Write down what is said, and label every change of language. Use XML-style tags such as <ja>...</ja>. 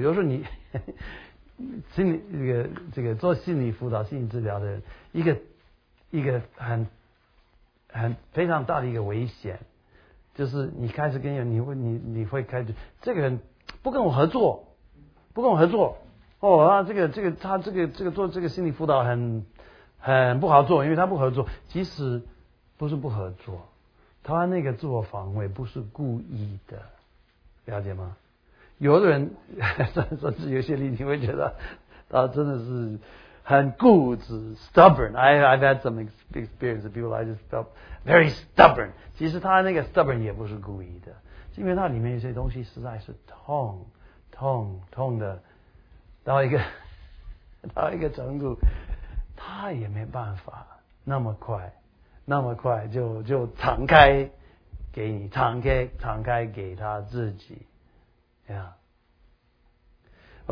<zh>有时候你心理这个做心理辅导、心理治疗的人，一个很非常大的一个危险，就是你开始跟人，你会开始这个人不跟我合作，不跟我合作哦啊，这个做这个心理辅导很不好做，因为他不合作，即使不是不合作。他那个自我防卫不是故意的，了解吗？有的人甚至有些例子会觉得他真的是很固执 stubborn。</zh> <en>I've had some experience of people I just felt very stubborn。</en> <zh>其实他那个 stubborn 也不是故意的，因为他里面有些东西实在是痛的到一个程度，他也没办法那么快就敞开给你，敞开给他自己呀、yeah.</zh>